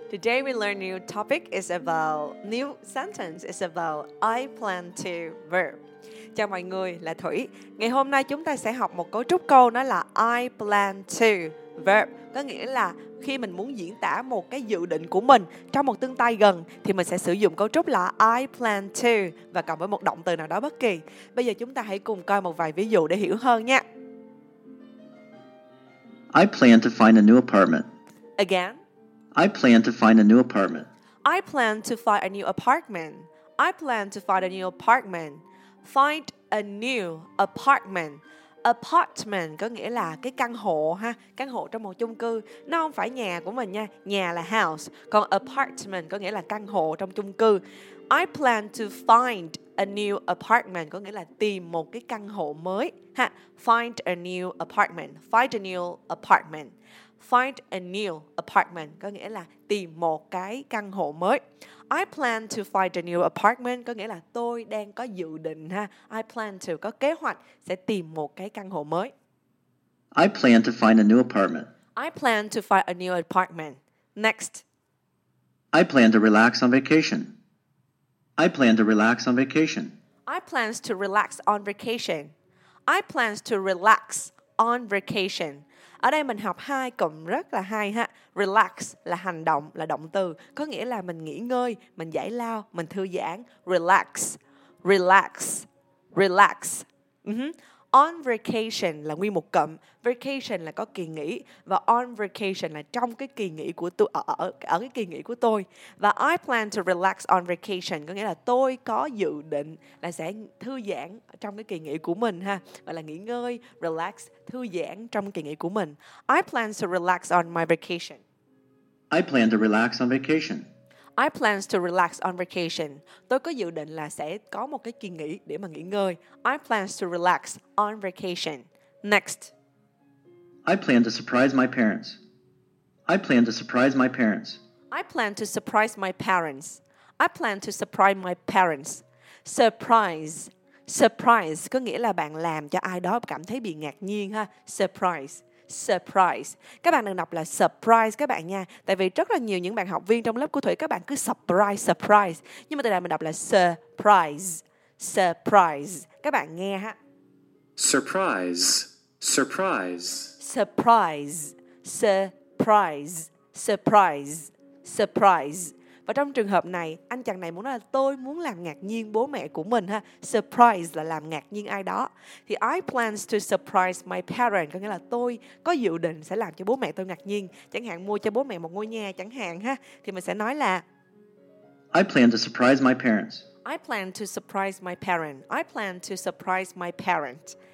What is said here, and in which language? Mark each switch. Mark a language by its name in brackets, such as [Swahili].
[English] Today we learn new topic is about new sentence is about I plan to verb. [Vietnamese] Chào mọi người, là Thủy. Ngày hôm nay chúng ta sẽ học một cấu trúc câu, nó là [English] I plan to verb. [Vietnamese] Có nghĩa là khi mình muốn diễn tả một cái dự định của mình trong một tương lai gần thì mình sẽ sử dụng cấu trúc là [English] I plan to [Vietnamese] và cộng với một động từ nào đó bất kỳ. Bây giờ chúng ta hãy cùng coi một vài ví dụ để hiểu hơn nha. [English] I plan to find a new apartment. Again, I plan to find a new apartment. I plan to find a new apartment. I plan to find a new apartment. Find a new apartment. [Vietnamese] Apartment có nghĩa là cái căn hộ ha, căn hộ trong một chung cư. Nó không phải nhà của mình nha, nhà là house. Còn apartment có nghĩa là căn hộ trong chung cư. [English] I plan to find a new apartment [Vietnamese] có nghĩa là tìm một cái căn hộ mới ha. [English] Find a new apartment. Find a new apartment. Find a new apartment [Vietnamese] có nghĩa là tìm một cái căn hộ mới. [English] I plan to find a new apartment [Vietnamese] có nghĩa là tôi đang có dự định ha. [English] I plan to [Vietnamese] có kế hoạch sẽ tìm một cái căn hộ mới. [English] I plan to find a new apartment. I plan to find a new apartment. Next. I plan to relax on vacation. I plan to relax on vacation. I plan to relax on vacation. I plan to relax on vacation. [Vietnamese] Ở đây mình học hai cụm rất là hay ha. Relax là hành động, là động từ. Có nghĩa là mình nghỉ ngơi, mình giải lao, mình thư giãn. Relax, relax, relax. [English] On vacation [Vietnamese] là nguyên một cụm. Vacation là có kỳ nghỉ. Và [English] on vacation [Vietnamese] là trong cái kỳ nghỉ của tôi, ở cái kỳ nghỉ của tôi. Và [English] I plan to relax on vacation [Vietnamese] có nghĩa là tôi có dự định là sẽ thư giãn trong cái kỳ nghỉ của mình ha. Gọi là nghỉ ngơi, relax, thư giãn trong kỳ nghỉ của mình. [English] I plan to relax on my vacation. I plan to relax on vacation. I plan to relax on vacation. [Vietnamese] Tôi có dự định là sẽ có một cái kỳ nghỉ để mà nghỉ ngơi. [English] I plan to relax on vacation. Next. I plan to surprise my parents. I plan to surprise my parents. I plan to surprise my parents. I plan to surprise my parents. Surprise. [Vietnamese] Surprise có nghĩa là bạn làm cho ai đó cảm thấy bị ngạc nhiên ha. Surprise. Surprise. Các bạn đừng đọc là surprise các bạn nha. Tại vì rất là nhiều những bạn học viên trong lớp của Thủy, các bạn cứ surprise, surprise. Nhưng mà từ đây mình đọc là surprise. Surprise. Các bạn nghe ha. [English] Surprise. Surprise. Surprise. Surprise. Surprise. Surprise. [Vietnamese] Và trong trường hợp này, anh chàng này muốn nói là tôi muốn làm ngạc nhiên bố mẹ của mình ha. Surprise là làm ngạc nhiên ai đó. Thì [English] I plans to surprise my parents [Vietnamese] có nghĩa là tôi có dự định sẽ làm cho bố mẹ tôi ngạc nhiên. Chẳng hạn mua cho bố mẹ một ngôi nhà chẳng hạn ha. Thì mình sẽ nói là [English] I plan to surprise my parents. I plan to surprise my parents. I plan to surprise my parents.